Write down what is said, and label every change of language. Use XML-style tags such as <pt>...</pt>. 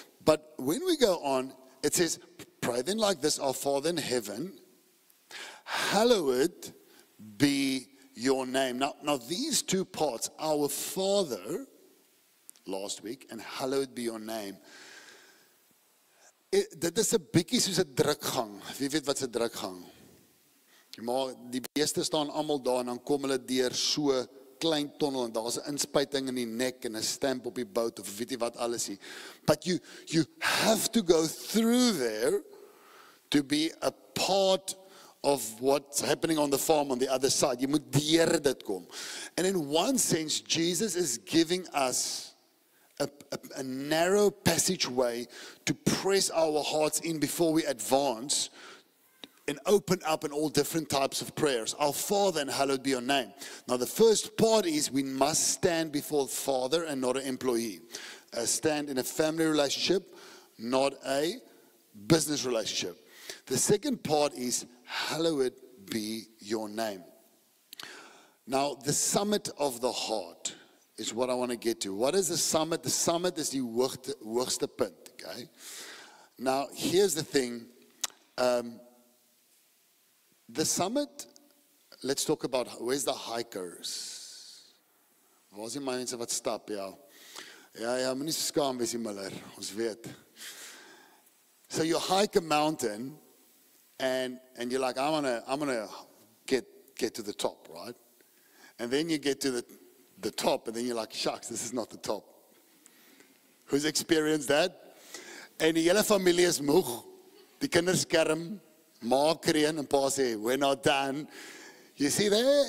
<en>But when we go on, it says, pray then like this: Our Father in heaven, hallowed be your name. Now these two parts, our Father last week and hallowed be your name.</en> <af>Dit is 'n bietjie soos 'n drukgang. Wie weet wat 'n drukgang? Maar die beeste staan almal daar en dan kom hulle deur so klein tunnel en daar's 'n inspuiting in die nek en 'n stamp op die boot of weet jy wat alles is.</af> <en>But you have to go through there to be a part of what's happening on the farm on the other side.</en> <af>Jy moet deur dit kom.</af> <en>And in one sense, Jesus is giving us a narrow passageway to press our hearts in before we advance and open up in all different types of prayers. Our Father and hallowed be your name. Now the first part is we must stand before the Father and not an employee. Stand in a family relationship, not a business relationship. The second part is hallowed be your name. Now the summit of the heart is what I want to get to. What is the summit? The summit is the</en> <af>hoogste punt,</af> <en>okay? Now, here's the thing. The summit, let's talk about, where's the hikers?</en> <af>Waar is die mense wat stap, ja? Ja, moet nie so skaam wees nie, Miller, ons weet.</af> <en>So you hike a mountain, and you're like, I'm gonna get to the top, right? And then you get to the top, and then you're like, shucks, this is not the top. Who's experienced that?</en> <af>En die hele familie is moeg, die kinders kerm, maak kreen, en pa sê,</af> <en>we're not done. You see there?</en>